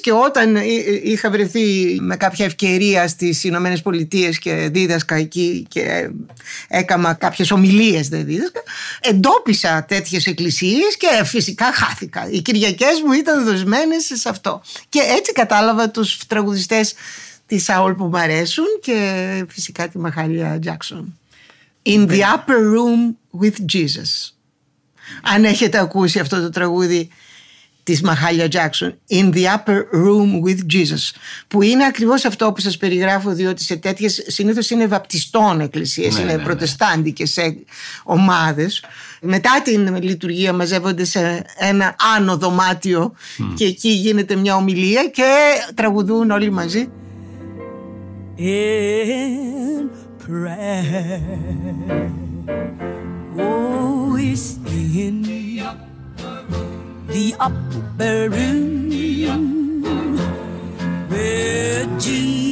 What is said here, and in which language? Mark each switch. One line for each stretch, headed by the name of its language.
Greek: Και όταν είχα βρεθεί με κάποια ευκαιρία στις Ηνωμένες Πολιτείες και δίδασκα εκεί και έκανα κάποιες ομιλίες, δεν δίδασκα, εντόπισα τέτοιες εκκλησίες και φυσικά χάθηκα. Οι Κυριακές μου ήταν δοσμένες σε αυτό. Και έτσι κατάλαβα τους τραγουδιστές τη Σαόλ που μου αρέσουν και φυσικά τη Μαχάλια Τζάκσον.
English: In the upper room with Jesus.
Greek: Αν έχετε ακούσει αυτό το τραγούδι της Μαχάλια Τζάκσον, In the upper room with Jesus, που είναι ακριβώς αυτό που σας περιγράφω, διότι σε τέτοιες συνήθως είναι βαπτιστών εκκλησίες, είναι προτεστάντικες ομάδες. Μετά την λειτουργία μαζεύονται σε ένα άνω δωμάτιο και εκεί γίνεται μια ομιλία και τραγουδούν όλοι μαζί.
English: In prayer, oh, is in the upper room with Jesus.